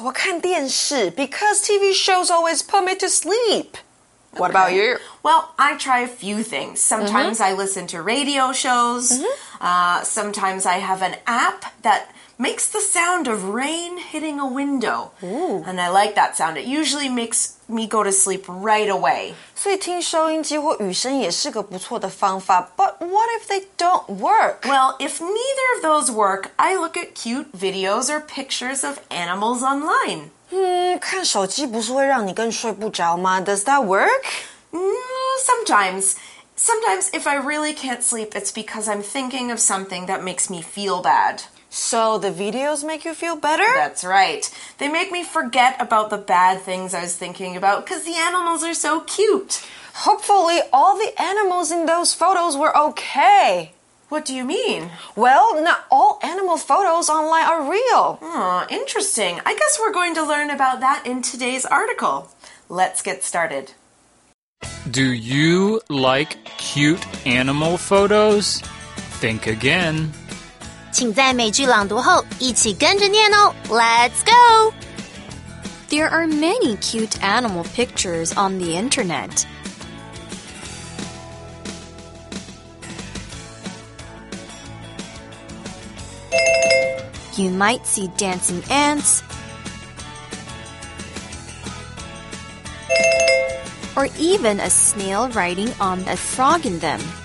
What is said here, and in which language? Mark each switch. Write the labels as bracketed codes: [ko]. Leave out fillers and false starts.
[zh] 我看电视, [en] because TV shows always put me to sleep. What okay. about you? Well, I try a few things. Sometimes I listen to radio shows. Sometimes I have an app that makes the sound of rain hitting a window. Ooh. And I like that sound. It usually makes me go to sleep right away. [zh] 所以听收音机或雨声也是个不错的方法。 [en] But what if they don't work? Well, if neither of those work, I look at cute videos or pictures of animals online. [zh] 看手机不是会让你更睡不着吗? [en] Does that work? Sometimes. Sometimes if I really can't sleep, it's because I'm thinking of something that makes me feel bad. So the videos make you feel better? That's right. They make me forget about the bad things I was thinking about because the animals are so cute. Hopefully, all the animals in those photos were okay. What do you mean? Well, not all animal photos online are real. Interesting. I guess we're going to learn about that in today's article. Let's get started. Do you like cute animal photos? Think again. [zh] 请在每句朗读后一起跟着念哦。 [en] Let's go! There are many cute animal pictures on the internet. You might see dancing ants, or even a snail riding on a frog in them.